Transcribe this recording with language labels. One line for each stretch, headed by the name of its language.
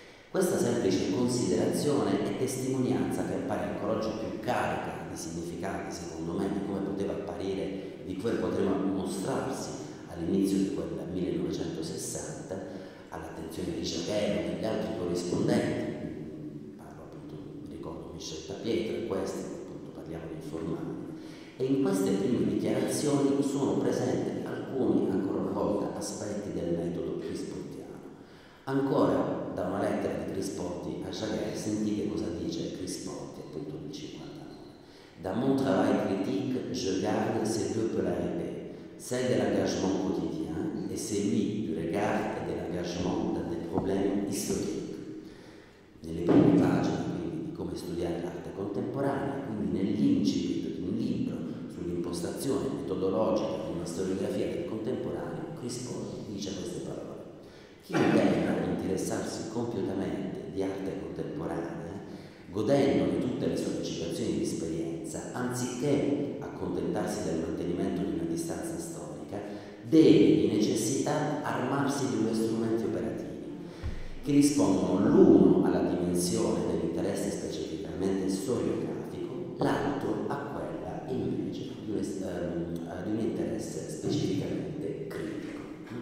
Italian: Questa semplice considerazione e testimonianza, che appare ancora oggi più carica di significati, secondo me, di come poteva apparire, di quel potremmo mostrarsi all'inizio di quel 1960, all'attenzione di Chagall e degli altri corrispondenti, parlo appunto, ricordo Michel Tapietro, e questi, appunto, parliamo di informali, e in queste prime dichiarazioni sono presenti alcuni, ancora una volta, aspetti del metodo crispottiano. Ancora da una lettera di Crispotti a Chagall, sentite cosa dice Crispotti, appunto, nel 50.
French: Dans mon travail critique, je garde ces deux polarités, celle de l'engagement quotidien et celui du regard et de l'engagement dans des problèmes historiques.
Italian: Nelle prime pagine, quindi, di Come studiare l'arte contemporanea, quindi nell'incipit di un libro sull'impostazione metodologica di una storiografia del contemporaneo, Crispotti dice queste parole: chi intenda interessarsi compiutamente di arte contemporanea, godendo di tutte le sollecitazioni di esperienza, anziché accontentarsi del mantenimento di una distanza storica, deve di necessità armarsi di due strumenti operativi che rispondono l'uno alla dimensione dell'interesse specificamente storiografico, l'altro a quella invece di un interesse specificamente critico.